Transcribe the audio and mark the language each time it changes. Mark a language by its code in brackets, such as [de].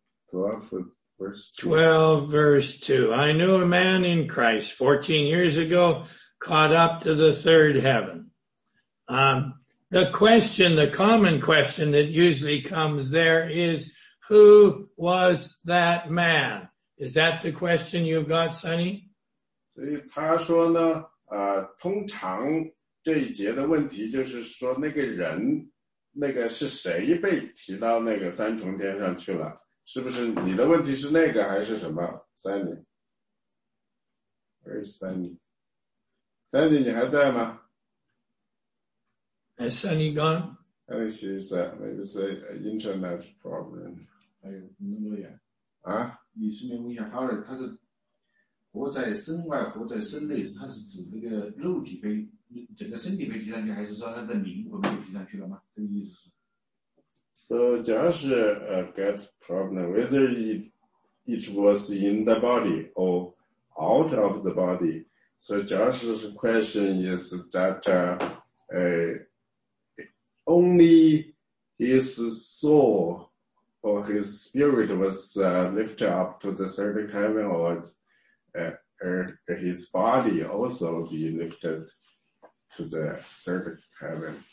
[en] 12, verse 2. I knew a man in Christ 14 years ago, caught up to the third heaven. The question, the common question that usually comes there is, who was that man? Is that the question you've got, Sonny? [zh] 所以他说呢，通常这一节的问题就是说那个人，那个是谁被提到那个三重天上去了？是不是你的问题是那个还是什么 ？Sunny， [en] where is Sunny？ [zh] Sunny， 你还在吗 [en] ？Is Sunny gone？ I think she's maybe say internet problem。 [zh] 哎呦，那么远啊！你顺便问一下 ，Howard， 他是活在身外，活在身内，他是指那个肉体被整个身体被提上去，还是说他的灵魂被提上去了吗？这个意思是？ [en] So Josh got problem whether it was in the body or out of the body. So Josh's question is that only his soul or his spirit was lifted up to the third heaven, or his body also be lifted to the third heaven?